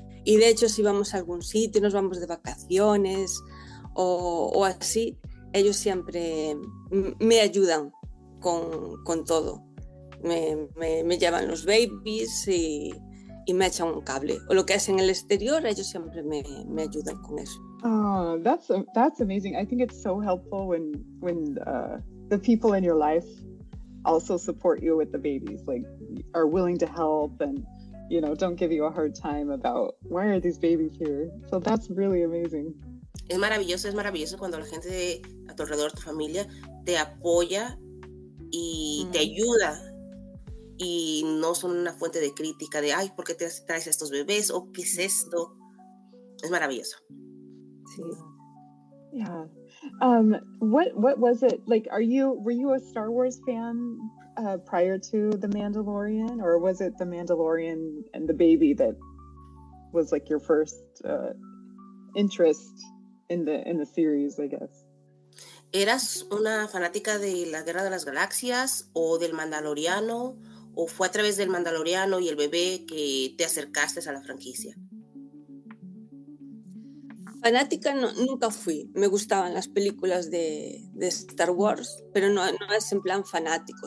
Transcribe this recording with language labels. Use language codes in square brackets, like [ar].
[es] Y de hecho, si íbamos a algún sitio, nos vamos de vacaciones o así, ellos siempre me ayudan con todo. Me llevan los babies y me echan un cable. O lo que es en el exterior, ellos siempre me ayudan con eso. [en] Oh, that's amazing. I think it's so helpful when the people in your life also support you with the babies, like are willing to help and, you know, don't give you a hard time about why are these babies here. So that's really amazing. [es] Es maravilloso cuando la gente a tu alrededor, tu familia, te apoya y te ayuda y no son una fuente de crítica de, ay, ¿por qué te traes a estos bebés? ¿O qué es esto? Es maravilloso. [en] Yeah. What was it like? Were you a Star Wars fan prior to The Mandalorian, or was it The Mandalorian and the baby that was like your first interest in the series, I guess? [es] ¿Eras una fanática de la Guerra de las Galaxias o del Mandaloriano, o fue a través del Mandaloriano y el bebé que te acercaste a la franquicia? Fanática no, nunca fui. Me gustaban las películas de Star Wars, pero no es en plan fanático.